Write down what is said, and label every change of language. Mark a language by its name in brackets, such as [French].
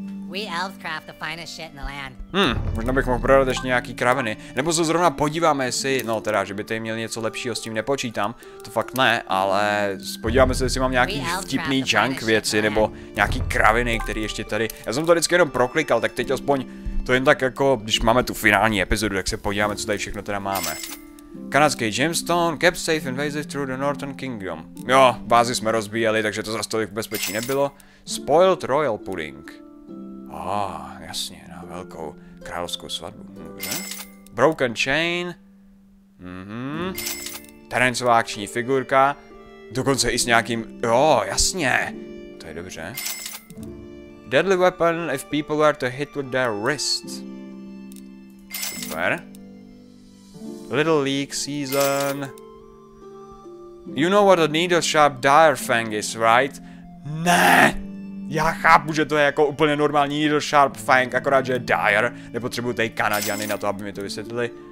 [English] We elves craft the finest shit in the land. [Czech] Možná bych mohl prodat ještě nějaký kraviny. Nebo se zrovna podíváme, jestli, no teda, že by tady měli něco lepšího, s tím nepočítám. To fakt ne, ale podíváme se, jestli mám nějaký vtipný junk věci, nebo nějaký kraviny, který ještě tady. Já jsem to vždycky jenom proklikal, tak teď aspoň to jen tak jako, když máme tu finální epizodu, tak se podíváme, co tady všechno teda máme. [English] Kanadský gemstone, kept safe invasive through the Northern Kingdom. [Czech] Jo, bázi jsme rozbíjeli, takže to zase tolik v bezpečí nebylo. [English] Spoiled royal pudding. [Czech] Jasně, na velkou královskou svatbu. Dobře. [English] Broken chain. [Czech] Terencová akční figurka. Dokonce i s nějakým... Jo, jasně. To je dobře. [English] Deadly weapon if people were to hit with their wrist. Super. Little League season. You know what a needle sharp dire fang is, right? [Czech] Ne! Já chápu, že to je jako úplně normální needle sharp fang, akorát, že je dire. Nepotřebuju tady Kanaďany na to, aby mi to vysvětlili.